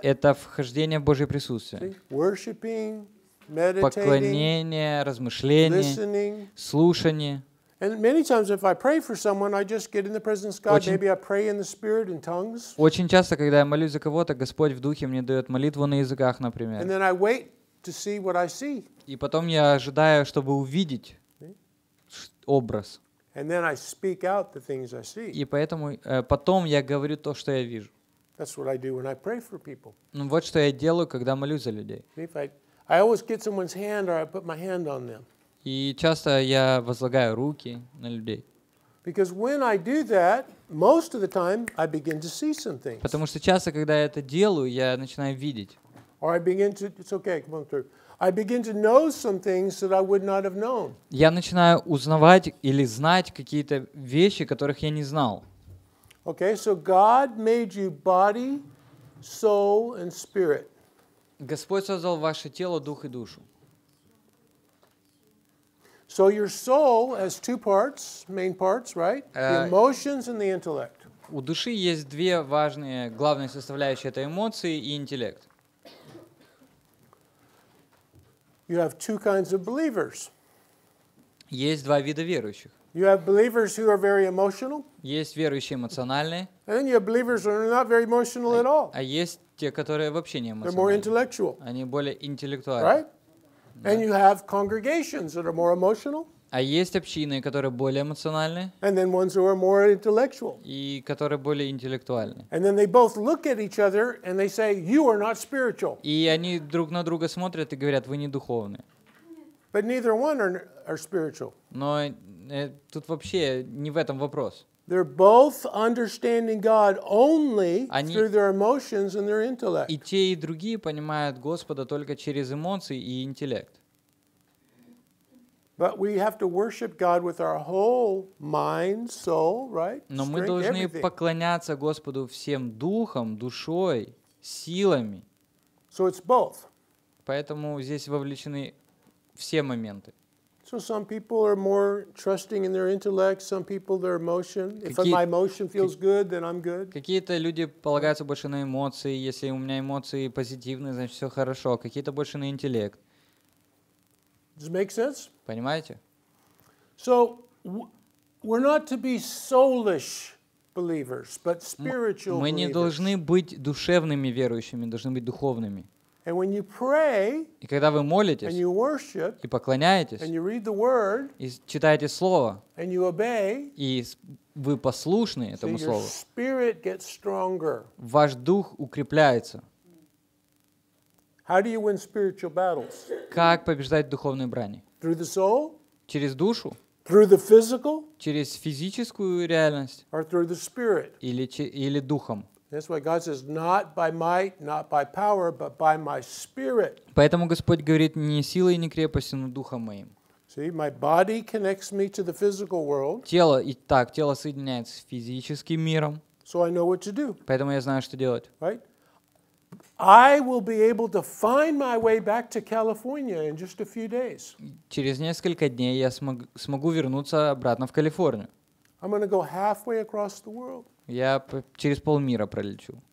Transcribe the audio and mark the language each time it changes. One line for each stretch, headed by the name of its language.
Russian: Это вхождение в Божье присутствие.
English: Worshiping, meditating,
Russian: поклонение, размышление,
English: listening.
Russian: Слушание.
English: And many times if I pray for someone, I just get in the presence of God. Maybe I pray in the spirit in tongues.
Russian: Очень часто, когда я молюсь за кого-то, Господь в духе мне дает молитву на языках, например.
English: And then I wait to see what I see.
Russian: И потом я ожидаю, чтобы увидеть образ.
English: And then I speak out the things I see.
Russian: И поэтому потом я говорю то, что я вижу.
English: That's what I do when I pray for people.
Russian: Ну вот что я делаю, когда молюсь за людей.
English: I always get someone's hand or I put my hand on them.
Russian: И часто я возлагаю руки на людей.
English: Because when I do that, most of the time I begin to see some things.
Russian: Потому что часто, когда я это делаю, я начинаю видеть.
English: Or I begin to, it's okay, come on through. I begin to know some things that I would not have known.
Russian: Я начинаю узнавать или знать какие-то вещи, которых я не знал.
English: Okay, so God made you body, soul, and spirit.
Russian: Господь создал ваше тело, дух и душу.
English: So your soul has two parts, main parts, right? The emotions and the intellect.
Russian: У души есть две важные главные составляющие: это эмоции и интеллект.
English: You have two kinds of believers.
Russian: Есть два вида верующих.
English: You have believers who are very emotional.
Russian: Есть верующие эмоциональные.
English: And then you have believers who are not very emotional at all.
Russian: А есть те, которые вообще не эмоциональные.
English: They're more intellectual.
Russian: Они более интеллектуальные.
English: Right?
Russian: Да.
English: And you have congregations that are more emotional.
Russian: А есть общины, которые более эмоциональные.
English: And then ones who are more intellectual.
Russian: И которые более интеллектуальные.
English: And then they both look at each other and they say, "You are not spiritual."
Russian: И они друг на друга смотрят и говорят, вы не духовные.
English: But neither one are spiritual.
Russian: Но тут вообще не в этом вопрос.
English: They're both understanding God only through their emotions and their intellect.
Russian: И те, и другие понимают Господа только через эмоции и интеллект.
English: But we have to worship God with our whole mind, soul, right?
Russian: Но мы должны поклоняться Господу всем духом, душой, силами.
English: So it's both.
Russian: Поэтому здесь вовлечены все моменты.
English: So some people are more trusting in their intellect, some people their emotion. If my emotion feels good, then I'm good.
Russian: Какие-то люди полагаются больше на эмоции. Если у меня эмоции позитивные, значит все хорошо. Какие-то больше на интеллект.
English: Does it make sense?
Russian: Понимаете?
English: So we're not to be soulish believers, but spiritual believers.
Russian: Мы не должны быть душевными верующими, должны быть духовными.
English: And when you pray,
Russian: и когда вы молитесь,
English: and you worship,
Russian: и поклоняетесь,
English: and you read the word,
Russian: и читаете слово,
English: and you obey,
Russian: и вы послушны этому слову,
English: your spirit gets stronger.
Russian: Ваш дух укрепляется.
English: How do you win spiritual battles?
Russian: Как побеждать духовные брани?
English: Through the soul?
Russian: Через душу?
English: Through the physical?
Russian: Через физическую реальность?
English: Or through the spirit?
Russian: Или духом?
English: That's why God says, not by might, not by power, but by my spirit.
Russian: Поэтому Господь говорит не силой и не крепостью, но духом моим.
English: See, my body connects me to the physical world.
Russian: Тело и так, тело соединяется с физическим миром.
English: So I know what to do.
Russian: Поэтому я знаю, что делать.
English: Right? I will be able to find my way back to California in just a few days.
Russian: Через несколько дней я смогу вернуться обратно в Калифорнию.
English: I'm going to go halfway across the world.
Russian: Я через полмира пролечу.